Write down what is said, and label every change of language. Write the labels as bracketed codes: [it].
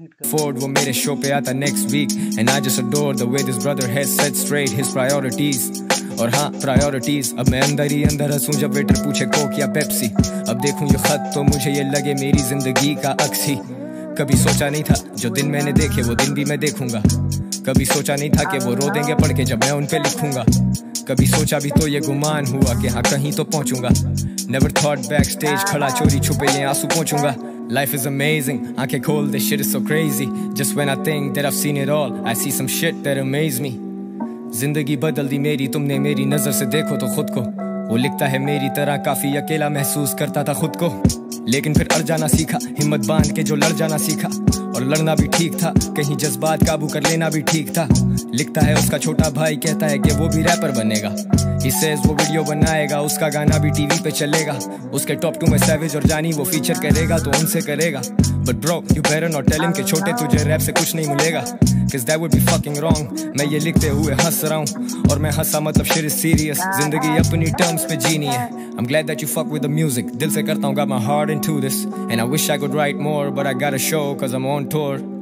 [hi] Ford, वो मेरे show पे आता [en] next week. And I just adore the way this brother has set straight his priorities. [hi] और हाँ priorities, अब मैं अंदर ही अंदर हंसूं जब वेटर पूछे कोक या पेप्सी. अब देखूं ये खत तो मुझे ये लगे मेरी जिंदगी का अक्स ही. कभी सोचा नहीं था जो दिन मैंने देखे वो दिन भी मैं देखूंगा. कभी सोचा नहीं था कि वो रो देंगे पढ़ के जब मैं उनपे लिखूंगा. कभी सोचा भी तो ये गुमान हुआ कि हाँ कहीं तो पहुंचूंगा. [en] Never thought [hi] backstage खड़ा चोरी छुपे ये आंसू पहुंचूंगा. [en] Life is amazing, [hi] आंखें खोल, [en] this shit is so crazy. Just when I think that I've seen it all, I see some shit that amaze me. [hi] जिंदगी बदल दी मेरी, तुमने मेरी नजर से देखो तो खुद को. वो लिखता है मेरी तरह काफी अकेला महसूस करता था खुद को. लेकिन फिर अड़ जाना सीखा, हिम्मत बांध के जो लड़ जाना सीखा. और लड़ना भी ठीक था, कहीं जज्बात काबू कर लेना भी ठीक था. लिखता है उसका छोटा भाई, कहता है कि वो भी रैपर बनेगा. [en] He says [hi] वो वीडियो बनाएगा, उसका गाना भी टीवी पे चलेगा. उसके टॉप टू में सैवेज और जानी वो फीचर करेगा तो उनसे करेगा. [en] But bro, you better not tell him [hi] कि छोटे तुझे रैप से कुछ नहीं मिलेगा. [en] Cause that would be fucking wrong. [hi] मैं ये लिखते हुए हंस रहा हूँ और मैं हंसा मतलब [en] shit is serious. [hi] जिंदगी अपनी टर्म्स पे जीनी है. [en] I'm glad that you fuck with the music. [hi] दिल से करता हूँ, [en] got my heart into this. And I wish I could write more, but I got a show cause I'm on tour.